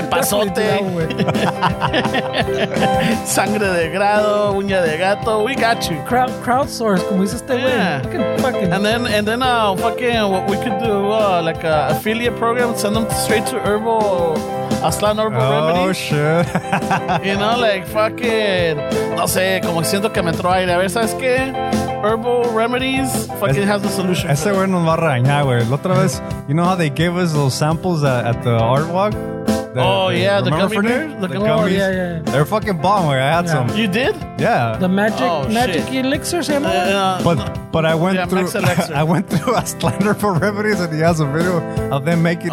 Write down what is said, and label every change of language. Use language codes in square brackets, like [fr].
[es] Epazote. Sangre de grado, uña de gato. [en] We got you. [es] Crowdsource, como dice este wey. [en] And then, fucking, what we could do, like an affiliate program, send them straight to Herbal... Aslan Herbal Remedy. Oh, shit. You know, like, fuck it. [es] No sé, como siento que me entró aire. A ver, ¿sabes qué? [en] Herbal Remedies fucking has the solution. [es] Ese güey nos va a regañar, güey. La otra vez, [en] you know how they gave us those samples at the art walk? The gummy bears? Yeah. They're fucking bomb, like, I had some. You did? Yeah. The magic elixir, same way? I went through a slander for remedies, and he has a video of them making it.